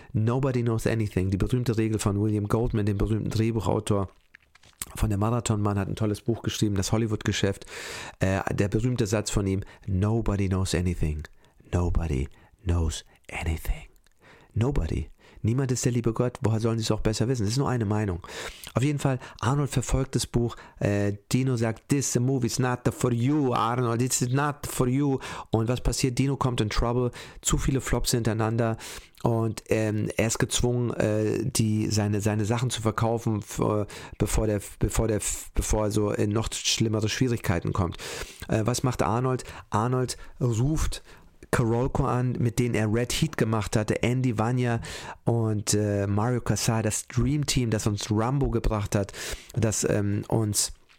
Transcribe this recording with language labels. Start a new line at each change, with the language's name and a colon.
English: Nobody knows anything,
German: die berühmte Regel von William Goldman, dem berühmten Drehbuchautor von der Marathonmann, hat ein tolles Buch geschrieben, das Hollywood-Geschäft. Der berühmte Satz von ihm,
English: nobody knows anything, nobody knows anything, nobody.
German: Niemand ist der liebe Gott, woher sollen sie es auch besser wissen? Das ist nur eine Meinung. Auf jeden Fall, Arnold verfolgt das Buch. Dino sagt,
English: this movie is not for you, Arnold, it's not for you.
German: Und was passiert? Dino kommt in trouble, zu viele Flops hintereinander. Und er ist gezwungen, seine Sachen zu verkaufen, bevor er in noch schlimmere Schwierigkeiten kommt. Was macht Arnold? Arnold ruft Carolco an, mit denen er Red Heat gemacht hatte, Andy Vanya und Mario Casar, das Dream Team, das uns Rambo gebracht hat, das uns